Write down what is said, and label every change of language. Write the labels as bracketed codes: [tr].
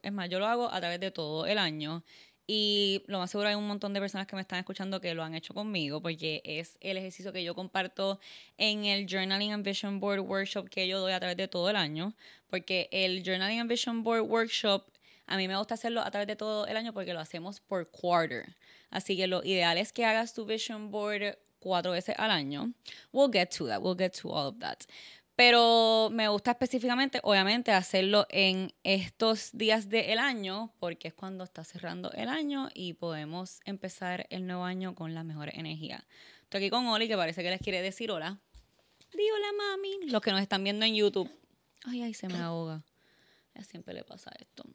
[es] Es más, yo lo hago a través de todo el año y lo más seguro hay un montón de personas que me están escuchando que lo han hecho conmigo, porque es el ejercicio que yo comparto en el Journaling and Vision Board Workshop que yo doy a través de todo el año, porque el Journaling and Vision Board Workshop a mí me gusta hacerlo a través de todo el año porque lo hacemos por quarter. Así que lo ideal es que hagas tu vision board cuatro veces al año. [en] We'll get to that, we'll get to all of that. [es] Pero me gusta específicamente, obviamente, hacerlo en estos días del año, porque es cuando está cerrando el año y podemos empezar el nuevo año con la mejor energía. Estoy aquí con Oli, que parece que les quiere decir hola. Di hola, mami. Los que nos están viendo en YouTube. Ay, se me ahoga. Ya siempre le pasa esto.